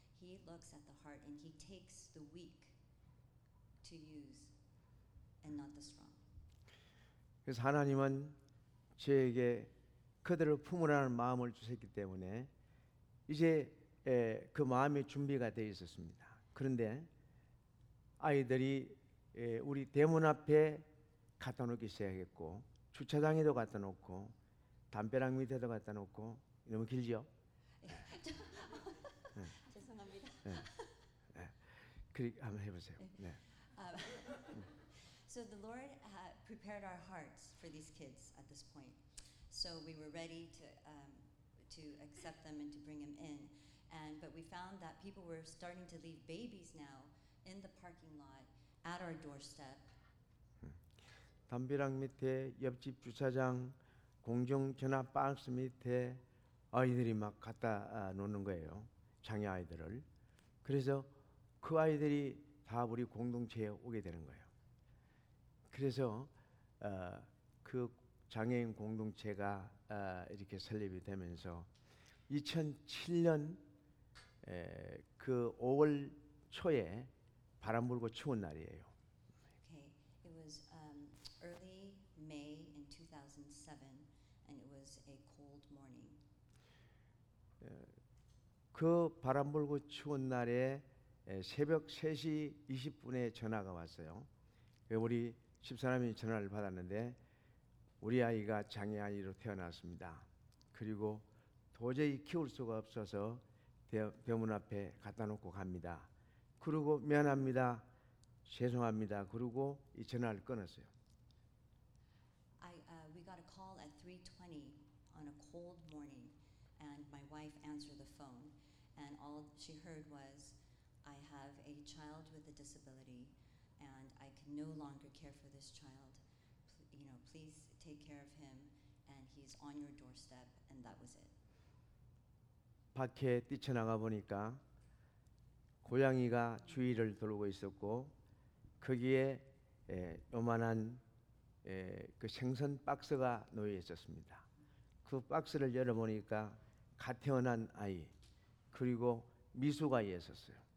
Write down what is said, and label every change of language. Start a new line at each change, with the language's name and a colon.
English: He looks at the heart and he takes the weak to use and not the strong.
Korean: 그래서 하나님은 저에게 그들을 품으라는 마음을 주셨기 때문에 이제 그 마음의 준비가 되어 있었습니다. 그런데 아이들이 우리 대문 앞에 갖다 놓기 시작했고 주차장에도 갖다 놓고 담벼락 밑에도 갖다 놓고 너무 길죠? 죄송합니다. 그리 한번 해보세요.
English: So the Lord had prepared our hearts for these kids at this point. So we were ready to accept them and to bring them in. And but we found that people were starting to leave babies now in the parking lot at our doorstep.
Korean: 담벼락 밑에 옆집 주차장 공중 전화 박스 밑에 아이들이 막 갖다 놓는 거예요. 장애 아이들을. 그래서 그 아이들이 다 우리 공동체에 오게 되는 거예요. 그래서 그 장애인 공동체가 이렇게 설립이 되면서 2007년 그 5월 초에 바람 불고 추운 날이에요.
English: Okay. It was early May in 2007 and it was a cold morning.
Korean: 그 바람 불고 추운 날에 새벽 3시 20분에 전화가 왔어요. 우리 집사람이 전화를 받았는데 우리 아이가 장애 아이로 태어났습니다. 그리고 도저히 키울 수가 없어서 대문 앞에 갖다 놓고 갑니다. 그리고 미안합니다. 죄송합니다. 그리고 이 전화를 끊었어요.
English: We got a call at 3:20 on a cold morning and my wife answered the phone and all she heard was I have a child with a disability and I can no longer care for this child. You know, please take care of him and he's on your doorstep and that was it.
Korean: 밖에 뛰쳐나가 보니까 고양이가 주위를 돌고 있었고 거기에 요만한 그 생선 박스가 놓여 있었습니다. 그 박스를 열어보니까 갓 태어난 아이 그리고 미숙아 있었어요.